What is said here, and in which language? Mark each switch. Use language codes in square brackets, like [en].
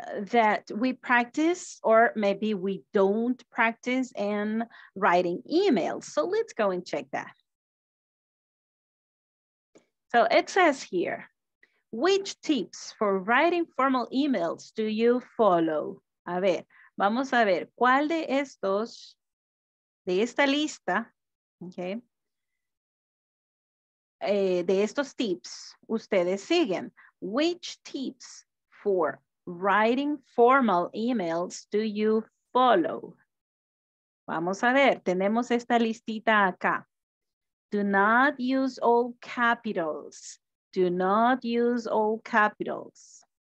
[en] That we practice or maybe we don't practice in writing emails. So let's go and check that. So it says here, which tips for writing formal emails do you follow? [es] A ver, vamos a ver, ¿cuál de estos, de esta lista, okay, de estos tips ustedes siguen? [en] Which tips for writing formal emails do you follow? [es] Vamos a ver, tenemos esta listita acá. [en] Do not use all capitals. Do not use all capitals.